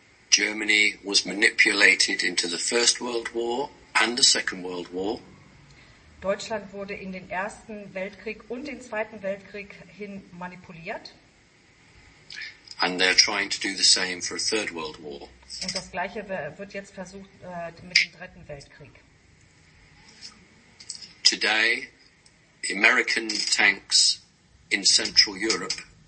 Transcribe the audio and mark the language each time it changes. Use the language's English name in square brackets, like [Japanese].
[English] Germany was manipulated into the First World War and the Second World War. [German] Deutschland wurde in den Ersten Weltkrieg und den Zweiten Weltkrieg hin manipuliert. [English] And they're trying to do the same for a Third World War. [German] Und das Gleiche wird jetzt versucht mit dem Dritten Weltkrieg. [English] Today, American tanks in Central Europe.